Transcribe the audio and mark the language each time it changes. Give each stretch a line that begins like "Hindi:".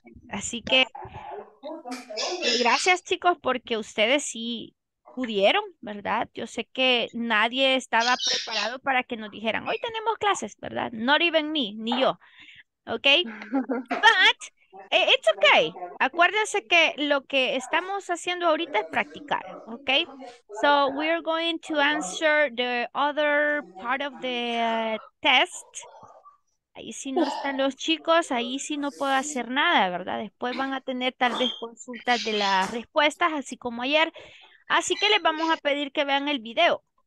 Spanish: Así que, gracias chicos, porque ustedes sí pudieron, ¿verdad? Yo sé que nadie estaba preparado para que nos dijeran, hoy tenemos clases, ¿verdad?
English: Not even me,
Spanish: ni yo.
English: ¿Ok? But, it's okay.
Spanish: Acuérdense que lo que estamos haciendo ahorita es practicar. ¿Ok?
English: So, we are going to answer the other part of the test.
Spanish: Ahí sí no están los chicos, ahí sí no puedo hacer nada, ¿verdad? Después van a tener tal vez consultas de las respuestas, así como ayer. Así que les vamos a pedir que vean el video.